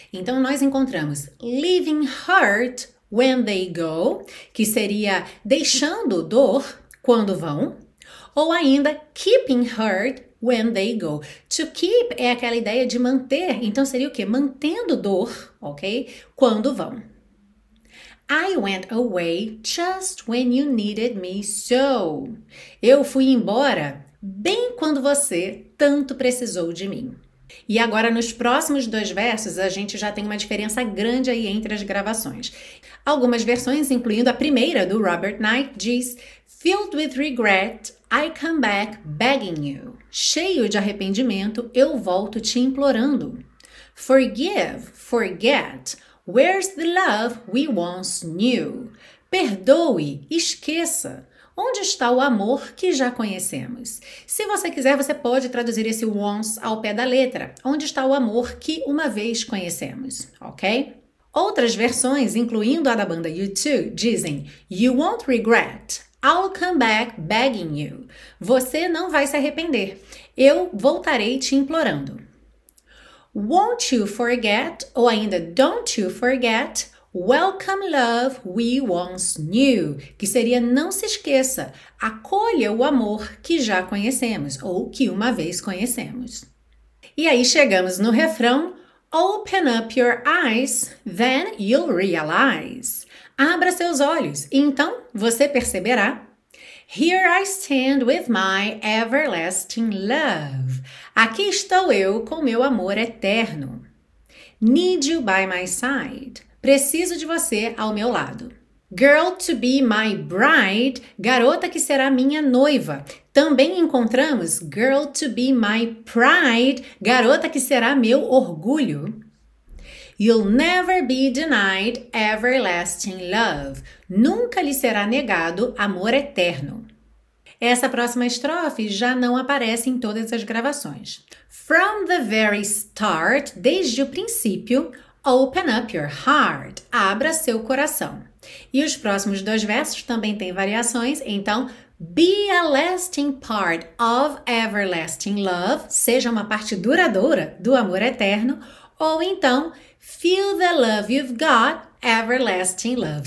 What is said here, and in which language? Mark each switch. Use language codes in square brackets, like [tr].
[pt] Então nós encontramos [en] leaving hurt when they go, [pt] que seria deixando dor quando vão, ou ainda [en] keeping hurt when they go. To keep [pt] é aquela ideia de manter, então seria o quê? Mantendo dor, ok? Quando vão. [en] I went away just when you needed me so. [pt] Eu fui embora bem quando você tanto precisou de mim. E agora nos próximos dois versos a gente já tem uma diferença grande aí entre as gravações. Algumas versões, incluindo a primeira do Robert Knight, diz [en] filled with regret, I come back begging you. [pt] Cheio de arrependimento, eu volto te implorando. [en] Forgive, forget, where's the love we once knew? [pt] Perdoe, esqueça, onde está o amor que já conhecemos? Se você quiser, você pode traduzir esse once ao pé da letra. Onde está o amor que uma vez conhecemos, ok? Outras versões, incluindo a da banda U2, dizem [en] you won't regret, I'll come back begging you. [pt] Você não vai se arrepender. Eu voltarei te implorando. [en] Won't you forget, [pt] ou ainda [en] don't you forget, welcome love we once knew. [pt] Que seria não se esqueça, acolha o amor que já conhecemos, ou que uma vez conhecemos. E aí chegamos no refrão. [en] Open up your eyes, then you'll realize. [pt] Abra seus olhos, então você perceberá. [en] Here I stand with my everlasting love. [pt] Aqui estou eu com meu amor eterno. [en] Need you by my side. [pt] Preciso de você ao meu lado. [en] Girl to be my bride. [pt] Garota que será minha noiva. Também encontramos [en] girl to be my pride. [pt] Garota que será meu orgulho. [en] You'll never be denied everlasting love. [pt] Nunca lhe será negado amor eterno. Essa próxima estrofe já não aparece em todas as gravações. [en] From the very start, [pt] desde o princípio, [en] open up your heart, [pt] abra seu coração. E os próximos dois versos também têm variações, então [en] be a lasting part of everlasting love, [pt] seja uma parte duradoura do amor eterno, ou então [en] feel the love you've got, everlasting love.